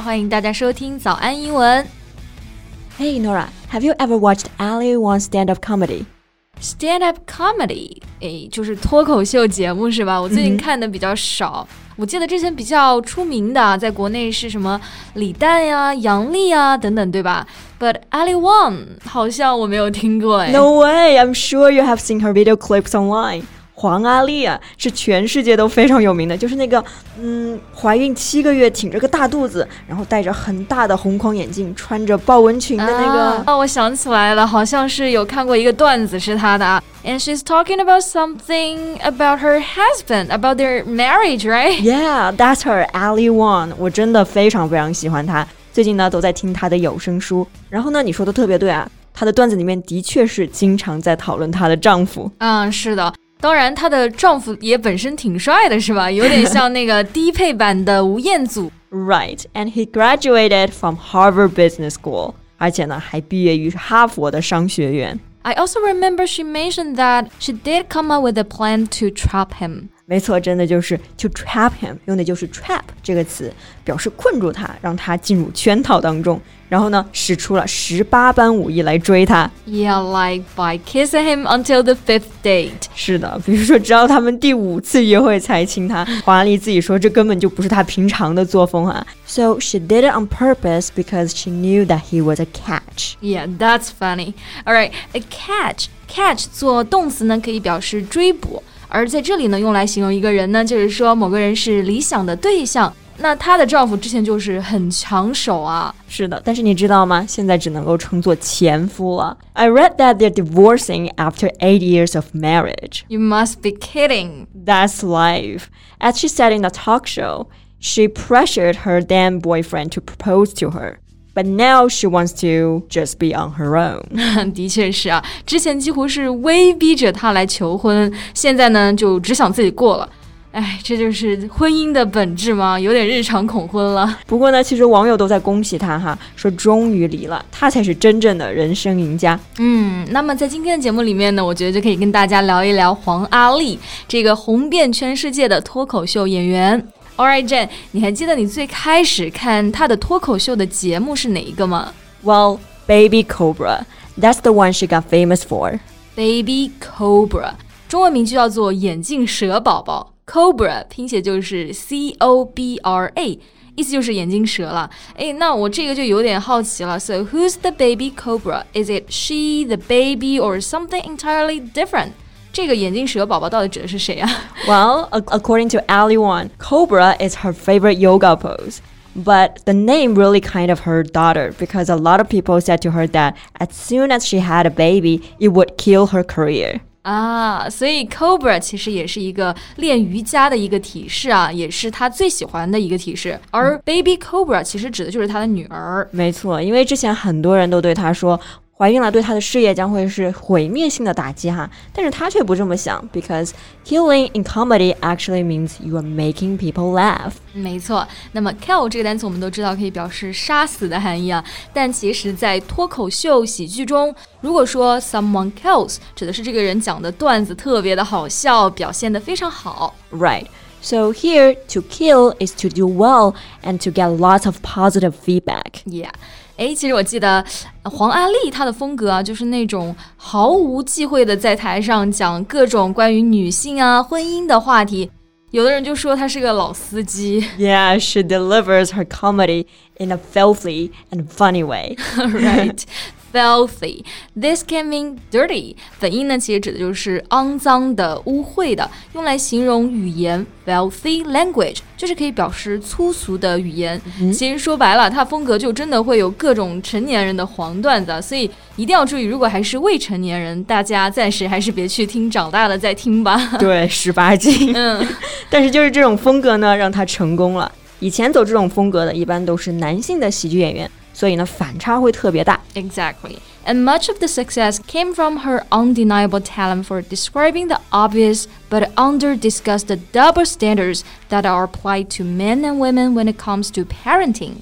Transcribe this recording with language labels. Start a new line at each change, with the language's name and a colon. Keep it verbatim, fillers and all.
Chinese: 欢迎大家收听早安英文。
English: Hey Nora, have you ever watched Ali Wong's stand-up comedy?
Chinese: Stand-up comedy 诶就是脱口秀节目是吧，我最近看的比较少、mm-hmm. 我记得之前比较出名的在国内是什么李诞呀、杨笠呀等等对吧， But Ali Wong 好像我没有听过诶。
English: No way, I'm sure you have seen her video clips online.
Chinese: 黄阿丽啊是全世界都非常有名的，就是那个嗯，怀孕七个月挺着个大肚子，然后戴着很大的红框眼镜，穿着豹纹裙的那个、啊、哦，我想起来了，好像是有看过一个段子是她的。
English: And she's talking about something about her husband, about their marriage, right? Yeah, that's her, Ali Wong.
Chinese: 我真的非常非常喜欢她，最近呢都在听她的有声书。然后呢你说的特别对啊，她的段子里面的确是经常在讨论她的丈夫。嗯，是的，当然她的丈夫也本身挺帅的是吧，有点像那个低配版的吴彦祖。
English: Right, and he graduated from Harvard Business School.
Chinese: 而且呢还毕业于哈佛的商学院。
English: I also remember she mentioned that she did come up with a plan to trap him.
Chinese: 没错，真的就是
English: to trap him,
Chinese: 用的就是 trap 这个词，表示困住他，让他进入圈套当中。然后呢使出了十八般武艺来追他。
English: Yeah, like by kissing him until the fifth date.
Chinese: 是的，比如说直到他们第五次约会才亲他。黄阿丽自己说这根本就不是他平常的作风啊。
English: So she did it on purpose because she knew that he was a catch. Yeah, that's funny. Alright, a catch.
Chinese: Catch 做动词呢可以表示追捕，而在这里呢用来形容一个人呢就是说某个人是理想的对象。那她的丈夫之前就是很抢手啊。是的，但是你知道吗，现在只能够称作前夫了。
English: I read that they're divorcing after eight years of marriage. You must be kidding. That's life. As she said in a talk show, she pressured her then boyfriend to propose to her. But now she wants to just be on her own.
Chinese: 的确是啊，之前几乎是威逼着她来求婚，现在呢就只想自己过了。哎，这就是婚姻的本质吗？有点日常恐婚了。不过呢，其实网友都在恭喜她哈，说终于离了，她才是真正的人生赢家。嗯，那么在今天的节目里面呢，我觉得就可以跟大家聊一聊黄阿丽这个红遍全世界的脱口秀演员。 Alright, Jen， 你还记得你最开始看她的脱口秀的节目是哪一个吗？
English: Well, Baby Cobra. That's the one she got famous for. Baby Cobra.
Chinese: 中文名就叫做眼镜蛇宝宝。Cobra 拼写就是 C O B R A， 意思就是眼睛蛇了。诶，那我这个就有点好奇了。
English: So who's the baby cobra? Is it she, the baby, or something entirely different?
Chinese: 这个眼睛蛇宝宝到底指的是谁啊？
English: Well, according to Ali Wong, Cobra is her favorite yoga pose. But the name really kind of her daughter, because a lot of people said to her that as soon as she had a baby, it would kill her career.
Chinese: 啊，所以 Cobra 其实也是一个练瑜伽的一个体式啊，也是她最喜欢的一个体式。而 Baby Cobra 其实指的就是她的女儿。没错，因为之前很多人都对她说怀孕了对她的事业将会是毁灭性的打击哈，但是她却不这么想
English: because killing in comedy actually means you are making people laugh.
Chinese: 没错，那么 kill 这个单词我们都知道可以表示杀死的含义啊，但其实在脱口秀喜剧中，如果说
English: someone kills
Chinese: 指的是这个人讲的段子特别的好笑，表现得非常好。
English: Right, so here to kill is to do well and to get lots of positive feedback. Yeah.
Chinese: 诶，其实我记得黄阿丽她的风格啊，就是那种毫无忌讳的在台上讲各种关于女性啊、婚姻的话题。有的人就说她是个老司机。
English: Yeah, she delivers her comedy in a filthy and funny way. Right, filthy. This can mean dirty.
Chinese: 本意呢，其实指的就是肮脏的、污秽的，用来形容语言
English: filthy language。
Chinese: 就是可以表示粗俗的语言、嗯、其实说白了他风格就真的会有各种成年人的黄段子，所以一定要注意，如果还是未成年人，大家暂时还是别去听，长大了再听吧。对，十八禁、嗯、但是就是这种风格呢让他成功了。以前走这种风格的一般都是男性的喜剧演员，所以呢反差会特别大。
English: Exactly. And much of the success came from her undeniable talent for describing the obvious but under-discussed double standards that are applied to men and women when it comes to parenting.